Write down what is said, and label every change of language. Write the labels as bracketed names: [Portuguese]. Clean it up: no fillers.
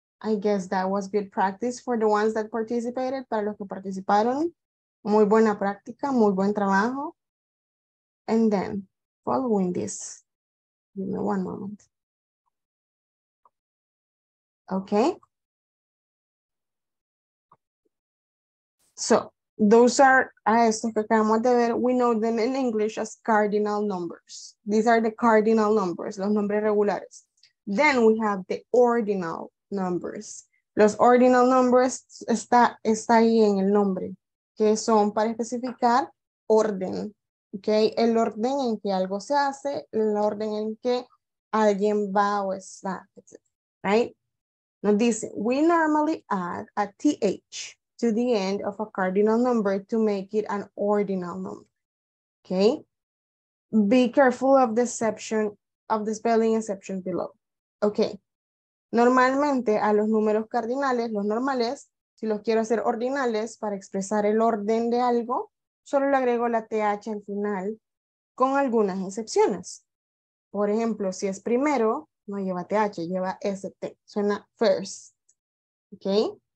[English] I guess that was good practice for the ones that participated. [Spanish] Para los que participaron, muy buena práctica, muy buen trabajo. [English] And then, following this, give me one moment. Okay. So, those are, [Spanish] estos que acabamos de ver, [English] we know them in English as cardinal numbers. These are the cardinal numbers, [Spanish] los nombres regulares. [English] Then we have the ordinal numbers. [Spanish] Los ordinal numbers está ahí en el nombre, que son para especificar orden, okay? El orden en que algo se hace, el orden en que alguien va o está, right? Nos dice, [English] we normally add a th to the end of a cardinal number to make it an ordinal number, okay? Be careful of the exception, of the spelling exception below, okay? [Spanish] Normalmente a los números cardinales, los normales, si los quiero hacer ordinales para expresar el orden de algo, solo le agrego la th al final con algunas excepciones. Por ejemplo, si es primero, no lleva th, lleva st, suena first, ¿ok?